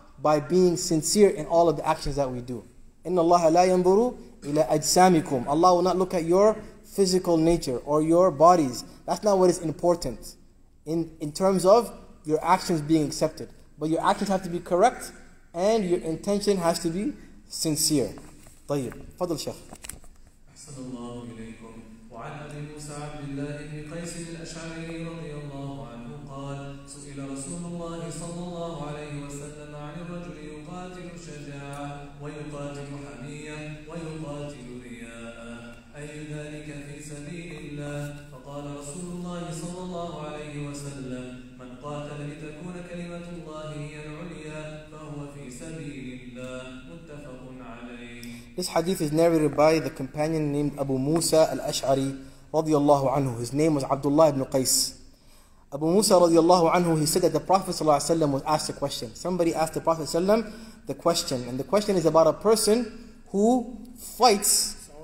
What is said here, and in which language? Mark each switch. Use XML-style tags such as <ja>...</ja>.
<en>By being sincere in all of the actions that we do.</en> <ar>إِنَّ اللَّهَ لَا يَنْظُرُ إِلَىٰ أَجْسَامِكُمْ</ar> <en>Allah will not look at your physical nature or your bodies. That's not what is important in terms of your actions being accepted. But your actions have to be correct and your intention has to be sincere.</en> <ar>طيب. فضل شيخ. أحسن الله إليكم. وعن أبي موسى عبد الله بن قيس الأشعري رضي الله عنه قال سئل رسول الله صلى الله عليه وسلم عن الرجل يقاتل شجاعة ويقاتل حمية ويقاتل رياء أي ذلك في سبيل الله فقال رسول الله صلى الله عليه وسلم من قاتل لتكون كلمة الله هي العليا فهو في سبيل الله متفق عليه.</ar> <en>This hadith is narrated by the companion named Abu Musa al-Ash'ari radiyallahu anhu. His name was Abdullah ibn Qais. Abu Musa radiyallahu anhu, he said that the Prophet ﷺ was asked a question. Somebody asked the Prophet ﷺ the question. And the question is about a person who fights.</en>